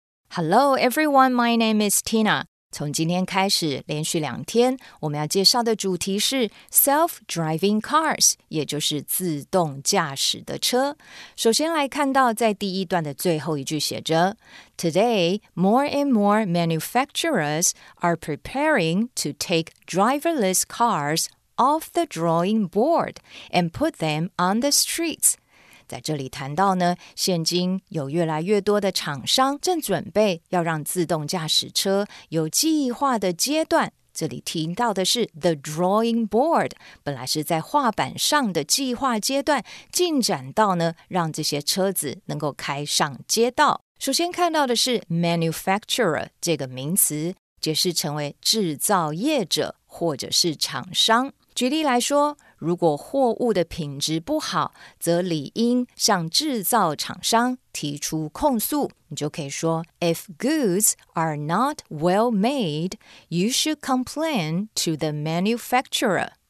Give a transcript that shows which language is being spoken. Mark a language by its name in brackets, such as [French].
[English] Hello, everyone. My name is Tina. [Chinese] 从今天开始，连续两天，我们要介绍的主题是 self-driving cars， 也就是自动驾驶的车。首先来看到在第一段的最后一句写着 [English] ：Today, more and more manufacturers are preparing to take driverless cars off the drawing board and put them on the streets. [Chinese] 在这里谈到呢，现今有越来越多的厂商正准备要让自动驾驶车有计划的阶段。这里提到的是 the drawing board， 本来是在画板上的计划阶段，进展到呢让这些车子能够开上街道。首先看到的是 manufacturer 这个名词，解释成为制造业者或者是厂商。举例来说，如果货物的品质不好，则理应向制造厂商提出控诉。你就可以说 [English] ,If goods are not well made, you should complain to the manufacturer.